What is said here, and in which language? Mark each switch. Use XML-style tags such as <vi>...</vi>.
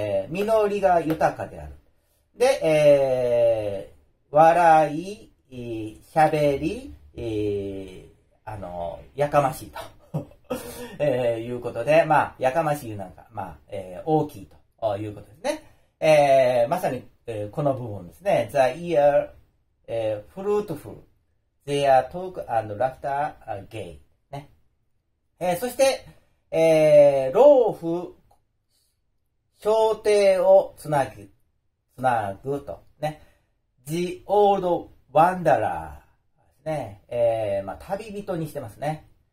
<ja>実りが豊かである。で、笑い、喋り、やかましいと、いうことで、まあ、やかましいなんか、まあ、大きいということですね。まさに、この部分ですね。</ja> <en>The year, fruitful. They are talk and laughter gay.</en> <ja>ね。そして、老夫、小弟をつなぐと。ね。</ja> <en>The old wanderer. ね。</en> <ja>まあ、旅人にしてますね。</ja>